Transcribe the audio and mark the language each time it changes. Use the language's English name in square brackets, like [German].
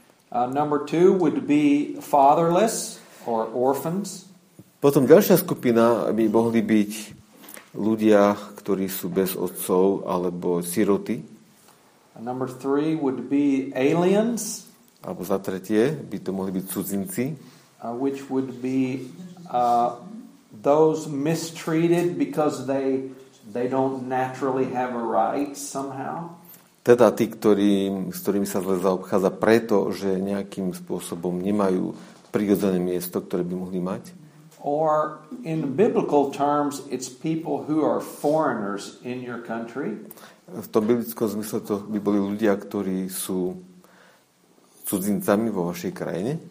[English] Number two would be fatherless or orphans. [Slovak] Potom ďalšia skupina by mohli byť ľudia, ktorí sú bez otcov alebo siroty. [English] Number three would be aliens. [Slovak] Alebo za tretie by to mohli byť cudzinci. [English] Which would be those mistreated because they don't naturally have a right somehow. [Slovak] Teda tí, s ktorými sa zle zaobchádza preto, že nejakým spôsobom nemajú prirodzené miesto, ktoré by mohli mať. [English] Or in biblical terms, it's people who are foreigners in your country. [Slovak] V tom biblickom zmysle to by boli ľudia, ktorí sú cudzincami vo vašej krajine.